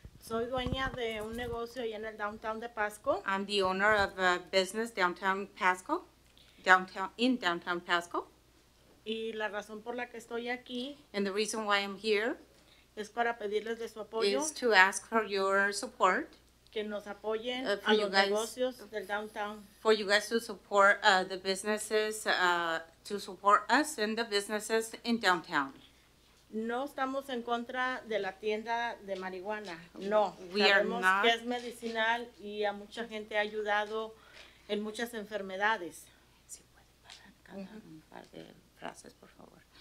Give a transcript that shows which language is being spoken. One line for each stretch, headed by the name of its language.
Spanish: Soy dueña de un negocio ahí en el downtown de Pasco.
English: I'm the owner of a business downtown Pasco, downtown Pasco.
Spanish: Y la razón por la que estoy aquí.
English: And the reason why I'm here.
Spanish: Es para pedirles de su apoyo.
English: Is to ask for your support.
Spanish: Que nos apoyen a los negocios del downtown.
English: For you guys to support the businesses, to support us and the businesses in downtown.
Spanish: No estamos en contra de la tienda de marihuana, no. Sabemos que es medicinal y a mucha gente ha ayudado en muchas enfermedades. Si pueden parar cada un par de frases, por favor.